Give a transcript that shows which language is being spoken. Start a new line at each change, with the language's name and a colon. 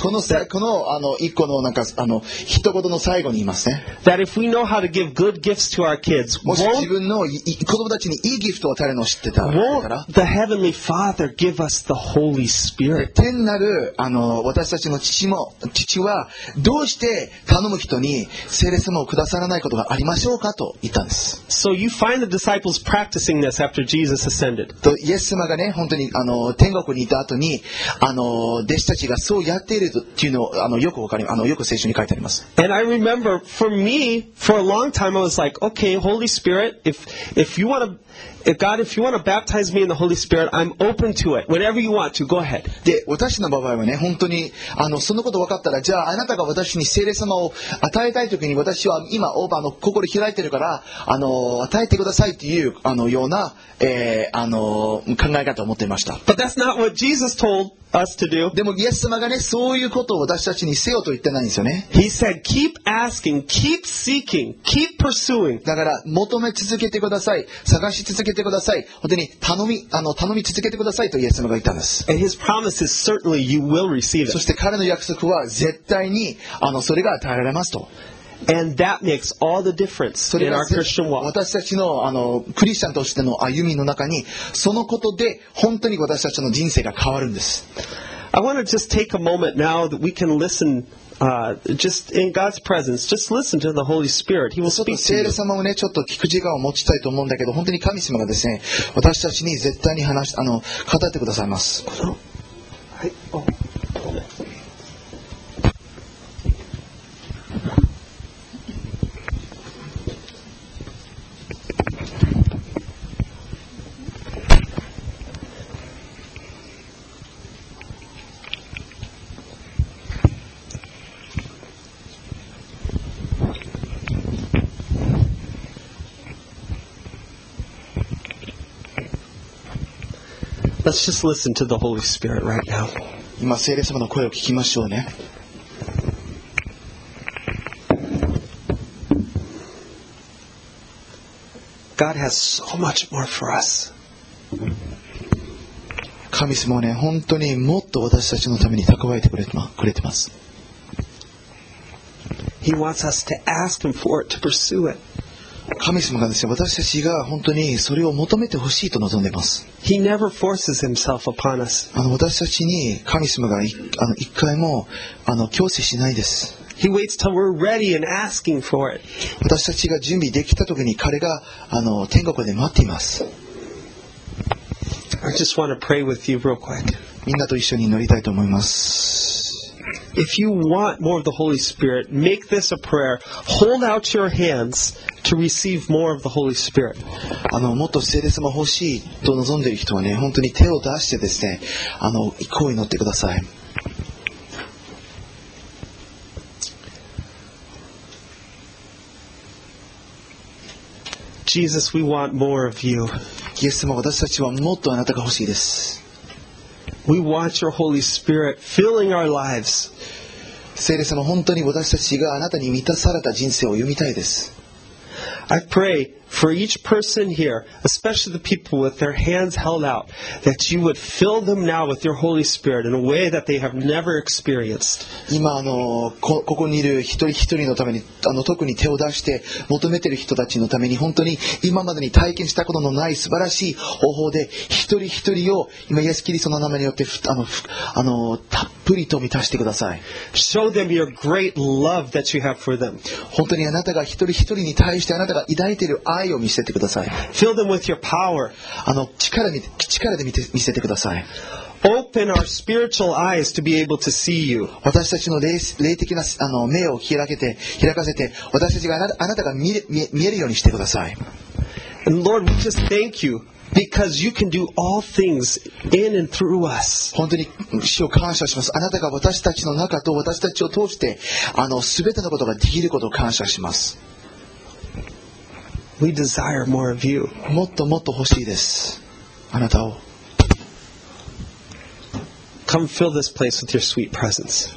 Japanese: この一個のなんか一言の最後に言いますね。
English: That if we know how to give good gifts to our kids,
Japanese: もし自分の子供たちにいいギフトを与えるのを知ってたら、
English: Heavenly Father, give us the Holy Spirit.
Japanese: 天なる私たちの父はどうして頼む人に聖霊様をくださらないことがありましょうかと言ったんです。
English: So you find the disciples practicing this after Jesus ascended.
Japanese: とイエス様がね本当に天国にいた後に弟子たちがそうやっているというのをよくわかりよく聖書に書いてあります。
English: And I remember for me for a long time I was like, okay, Holy Spirit, if you want toGod, if you want to baptize me in the Holy Spirit, I'm open to it. Whenever you want to, go ahead.
Japanese: で、私の場合はね、本当にそのこと分かったら、じゃああなたが私に聖霊様を与えたいときに、私は今オーバーの心開いてるから与えてくださいっていうような、考え方を持っていました。
English: But that's not what Jesus told us to do.
Japanese: でもイエス様がね、そういうことを私たちにせよと言ってないんですよね。
English: He said, keep asking, keep seeking, keep pursuing.
Japanese: だから求め続けてください、探し続けてください。本当に頼み続けてくださいとイエス様が言ったんです。
English: And his promise is certainly you will receive it.
Japanese: そして彼の約束は絶対にそれが与えられますと。
English: And that makes all the difference in our Christian walk.
Japanese: 私たちのクリスチャンとしての歩みの中に、そのことで本当に私たちの人生が変わるんです。
English: I want to just take a moment now that we can listen, just in God's presence, just listen to the Holy Spirit. He will speak to you.
Japanese: 聖霊様をね、ちょっと聞く時間を持ちたいと思うんだけど、本当に神様がですね、私たちに絶対に語ってくださいます。はい。
English: Let's just listen to the Holy Spirit right now.
Japanese: 今、聖霊様の声を聞きましょうね。
English: God has so much more for us.
Japanese: 神様はね、本当にもっと私たちのために蓄えてくれてます。
English: He wants us to ask him for it, to pursue it.
Japanese: 神様がですね、私たちが本当にそれを求めてほしいと望んでます。
English: He never forces himself upon us.
Japanese: 私たちに神様が一回も強制しないです。
English: He waits till we're ready and asking for it.
Japanese: 私たちが準備できた時に彼が天国で待っています。
English: I just want to pray with you real quick.
Japanese: みんなと一緒に祈りたいと思います。
English: If you want more of the Holy Spirit, make this a prayer. Hold out your hands to receive more of the Holy Spirit.
Japanese: もっと聖霊様欲しいと望んでいる人はね、本当に手を出してですね、一個祈ってください。
English: Jesus, we want more of you.
Japanese: イエス様、私たちはもっとあなたが欲しいです。
English: We want your Holy Spirit filling our lives.
Japanese: 聖霊様、本当に私たちがあなたに満たされた人生を歩みたいです。
English: I pray for each person here, especially the people with their hands held out, that you would fill them now with your Holy Spirit in a way that they have never experienced.
Japanese: 今ここにいる一人一人のために特に手を出して求めている人たちのために本当に今までに体験したことのない素晴らしい方法で一人一人を今イエスキリストの名前によってたっぷりと満たしてください。
English: Show them your great love that you have for them.
Japanese: 本当にあなたが一人一人に対してあなたが抱いている愛を見せてください。
English: Fill them with your power.
Japanese: 力で見せてください。
English: Open our spiritual eyes to be able to see you.
Japanese: 私たちの霊的な目を開かせて、私たちがあなたが見えるようにしてください。
English: And Lord, we just thank you because you can do all things in and through us.
Japanese: 本当に主を感謝します。あなたが私たちの中と私たちを通して全てのことができることを感謝します。
English: We desire more of you.
Japanese: もっともっと欲しいです。あなたを。
English: Come fill this place with your sweet presence.